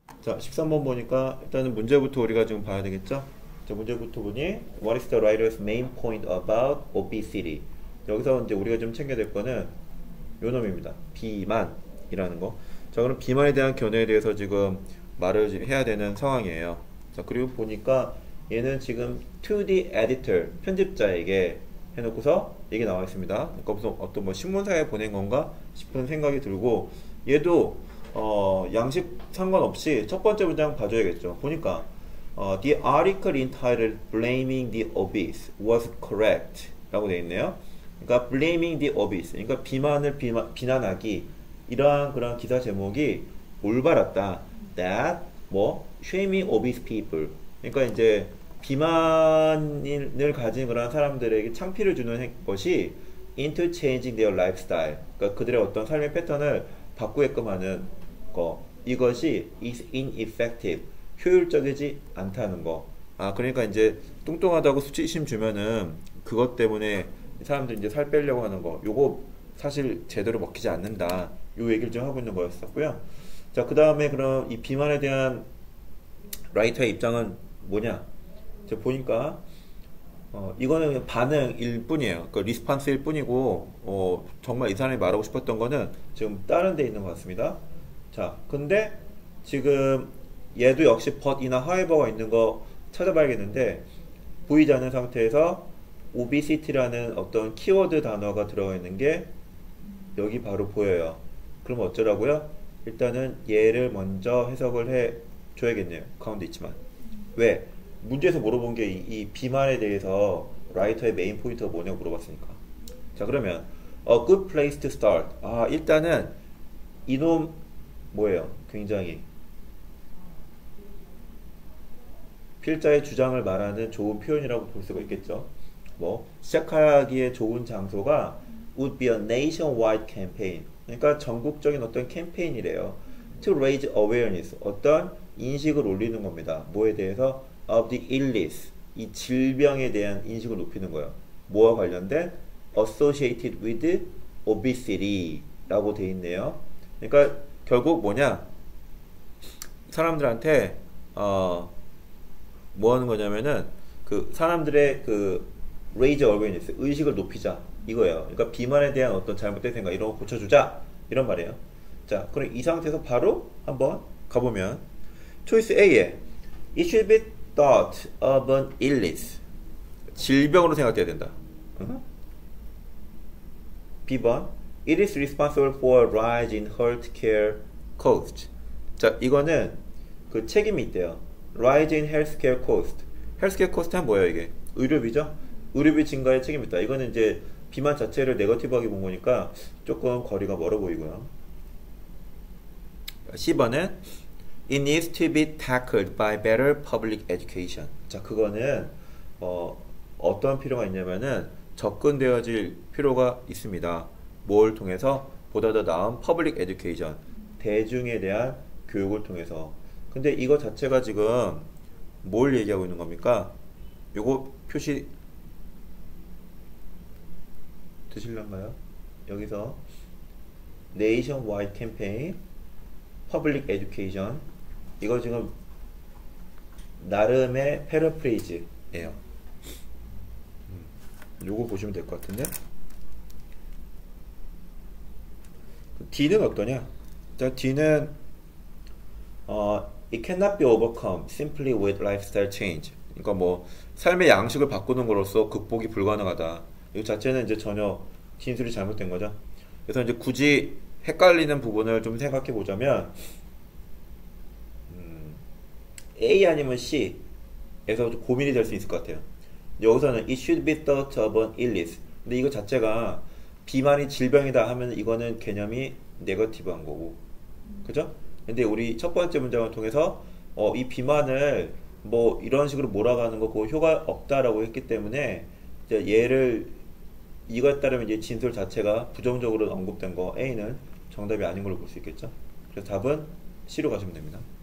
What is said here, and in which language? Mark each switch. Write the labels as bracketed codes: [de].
[ko] 자, 13번 보니까 일단은 문제부터 우리가 지금 봐야 되겠죠? 자, 문제부터 보니 [en] What is the writer's main point about obesity? [ko] 여기서 이제 우리가 좀 챙겨야 될 거는 요 놈입니다. 비만이라는 거. 자, 그럼 비만에 대한 견해에 대해서 지금 말을 해야 되는 상황이에요. 자, 그리고 보니까 얘는 지금 [en] to the editor, [ko] 편집자에게 해놓고서 얘기 나와 있습니다. 그러니까 무슨 어떤 뭐 신문사에 보낸 건가 싶은 생각이 들고, 얘도 양식 상관없이 첫 번째 문장 봐줘야겠죠. 보니까 [en] the article entitled "Blaming the Obese" was correct [ko] 라고 되어 있네요. 그러니까 "Blaming the Obese" 그러니까 비만을 비난하기 이러한 그런 기사 제목이 올바랐다. [en] That 뭐 shaming obese people. [ko] 그러니까 이제 비만을 가진 그런 사람들에게 창피를 주는 것이 [en] into changing their lifestyle. [ko] 그러니까 그들의 어떤 삶의 패턴을 바꾸게끔 하는 거. 이것이 [en] is ineffective. [ko] 효율적이지 않다는 거. 아, 그러니까 이제 뚱뚱하다고 수치심 주면은 그것 때문에 사람들이 이제 살 빼려고 하는 거. 요거 사실 제대로 먹히지 않는다. 요 얘기를 좀 하고 있는 거였었고요. 자, 그 다음에 그럼 이 비만에 대한 라이터의 입장은 뭐냐? 제가 보니까, 이거는 반응일 뿐이에요. 그 리스판스일 뿐이고, 정말 이 사람이 말하고 싶었던 거는 지금 다른 데 있는 것 같습니다. 자, 근데 지금 얘도 역시 but이나 however가 있는 거 찾아봐야겠는데, 보이지 않는 상태에서 obesity라는 어떤 키워드 단어가 들어있는 게 여기 바로 보여요. 그럼 어쩌라고요? 일단은 얘를 먼저 해석을 해 줘야겠네요. 가운데 있지만. 왜? 문제에서 물어본 게이 비만에 대해서 라이터의 메인 포인트가 뭐냐고 물어봤으니까. 자, 그러면 [en] a good place to start. [ko] 아, 일단은 이놈 뭐예요? 굉장히 필자의 주장을 말하는 좋은 표현이라고 볼 수가 있겠죠. 뭐 시작하기에 좋은 장소가 [en] would be a nationwide campaign. [ko] 그러니까 전국적인 어떤 캠페인이래요. [en] To raise awareness. [ko] 어떤 인식을 올리는 겁니다. 뭐에 대해서? [en] Of the illness. [ko] 이 질병에 대한 인식을 높이는 거예요. 뭐와 관련된? [en] Associated with obesity [ko] 라고 돼 있네요. 그러니까 결국 뭐냐? 사람들한테 뭐 하는 거냐면은 그 사람들의 그 [en] raise awareness, [ko] 의식을 높이자 이거예요. 그러니까 비만에 대한 어떤 잘못된 생각 이런 거 고쳐주자 이런 말이에요. 자, 그럼 이 상태에서 바로 한번 가보면 [en] Choice A에 It should be thought of an illness. [ko] 질병으로 생각돼야 된다. [en] B번 It is responsible for a rise in healthcare cost. [ko] 자, 이거는 그 책임이 있대요. [en] Rise in healthcare cost. [ko] Healthcare cost는 뭐예요, 이게? 의료비죠? 의료비 증가에 책임 있다. 이거는 이제 비만 자체를 네거티브하게 본 거니까 조금 거리가 멀어 보이고요. [en] C번은 It needs to be tackled by better public education. [ko] 자, 그거는 어떤 필요가 있냐면은 접근되어질 필요가 있습니다. 뭘 통해서? 보다 더 나은 [en] public education. [ko] 대중에 대한 교육을 통해서. 근데 이거 자체가 지금 뭘 얘기하고 있는 겁니까? 요거 표시 드실란가요? 여기서 Nationwide Campaign Public Education 이거 지금 나름의 패러프레이즈예요. 요거 보시면 될것 같은데 D는 어떠냐? 자, D는 [en] It cannot be overcome simply with lifestyle change. [ko] 그러니까 뭐 삶의 양식을 바꾸는 것으로써 극복이 불가능하다. 이거 자체는 이제 전혀 진술이 잘못된 거죠. 그래서 이제 굳이 헷갈리는 부분을 좀 생각해 보자면, A 아니면 C에서 좀 고민이 될수 있을 것 같아요. 여기서는 [en] It should be thought of an illness. [ko] 근데 이거 자체가 비만이 질병이다 하면 이거는 개념이 네거티브한 거고. 그죠? 근데 우리 첫 번째 문장을 통해서, 이 비만을 뭐 이런 식으로 몰아가는 거고 효과 없다라고 했기 때문에, 이제 얘를 이거에 따르면 이제 진술 자체가 부정적으로 언급된 거 A는 정답이 아닌 걸로 볼수 있겠죠? 그래서 답은 C로 가시면 됩니다.